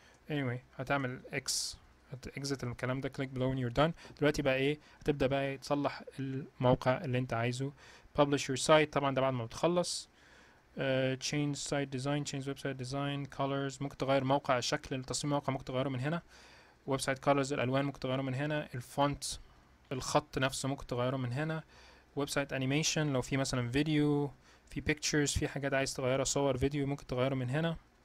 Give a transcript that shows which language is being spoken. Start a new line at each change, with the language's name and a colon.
English: anyway,
Arabic: هتعمل اكس, هتاكزت الكلام ده,
English: click below when you're done.
Arabic: دلوقتي بقى ايه, هتبدأ بقى تصلح الموقع اللي انت عايزه.
English: publish your site,
Arabic: طبعا ده بعد ما بتخلص.
English: change site design, change website design, colors.
Arabic: ممكن تغير موقع شكل التصميم الموقع ممكن تغيره من هنا.
English: website colors
Arabic: الألوان ممكن تغيره من هنا. الفونت الخط نفسه ممكن تغيره من هنا.
English: website animation
Arabic: لو في مثلا فيديو في pictures في حاجات عايز تغيرها صور فيديو ممكن تغيره من هنا.